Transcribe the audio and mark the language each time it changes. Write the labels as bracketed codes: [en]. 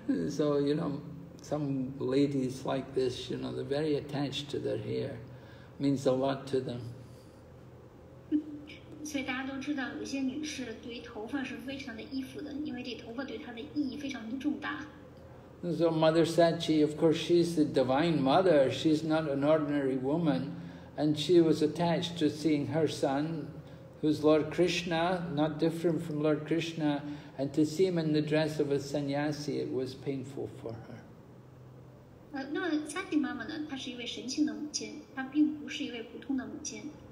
[en] So, some ladies like this, they're very attached to their hair. Means a lot to them. [zh] 所以大家都知道，有些女士对于头发是非常的依附的，因为这头发对她的意义非常的重大。 [en] So Mother Sachi, of course, she's the divine mother. She's not an ordinary woman, and she was attached to seeing her son, who's Lord Krishna, not different from Lord Krishna, and to see him in the dress of a sannyasi, it was painful for her. [zh] 那Sachi妈妈呢？她是一位神性的母亲，她并不是一位普通的母亲。